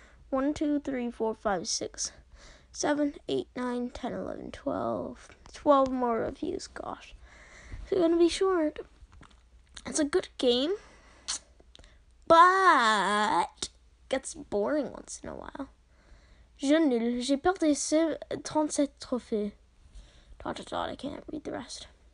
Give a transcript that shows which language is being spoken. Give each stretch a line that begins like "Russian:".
English: 1, 2, 3, 4, 5, 6, 7, 8, 9, 10, 11, 12. 12 more reviews, gosh. It's going to be short. It's a good game, but gets boring once in a while.
French: Je nul, j'ai perdu 37 trophées.
English: Dot, dot, dot, I can't read the rest.